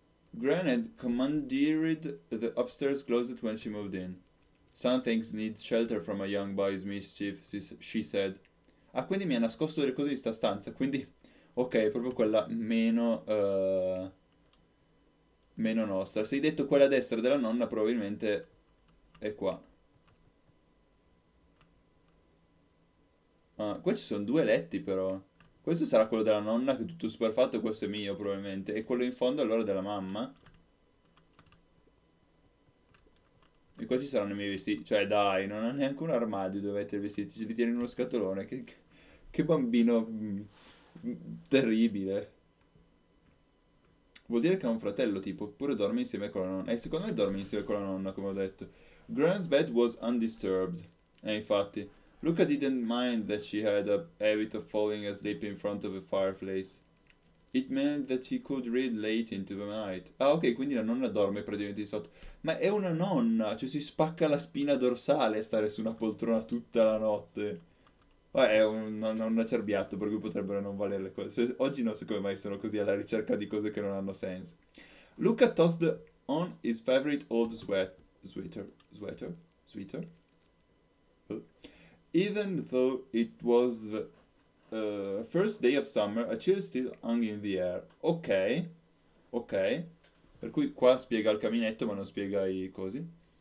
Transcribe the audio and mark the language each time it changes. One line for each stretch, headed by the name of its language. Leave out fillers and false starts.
English: Granite commandeered the upstairs closet when she moved in. Some things need shelter from a young boy's mischief, she said.
Italian: Ah, quindi mi ha nascosto delle cose in sta stanza, quindi. Ok, proprio quella meno nostra. Se hai detto quella a destra della nonna, probabilmente è qua. Ah, qua ci sono due letti, però. Questo sarà quello della nonna, che è tutto super fatto, e questo è mio, probabilmente. E quello in fondo è allora della mamma. E qua ci saranno i miei vestiti. Cioè, dai, non ha neanche un armadio dove mettere i vestiti. Ci li tieni in uno scatolone. Che bambino terribile. Vuol dire che ha un fratello, tipo, oppure dorme insieme con la nonna. E secondo me dorme insieme con la nonna, come ho detto.
English: Gran's bed was undisturbed.
Italian: Infatti.
English: Luca didn't mind that she had a habit of falling asleep in front of a fireplace. It meant that he could read late into the night.
Italian: Ah, ok, quindi la nonna dorme praticamente di sotto. Ma è una nonna, cioè si spacca la spina dorsale stare su una poltrona tutta la notte. Ma è un acerbiato, per cui potrebbero non valere le cose. Cioè, oggi non so come mai sono così alla ricerca di cose che non hanno senso.
English: Luca tossed on his favorite old sweater. Even though it was the first day of summer, a chill still hung in the air. Ok.
Italian: Per cui qua spiega il caminetto, ma non spiega i cosi.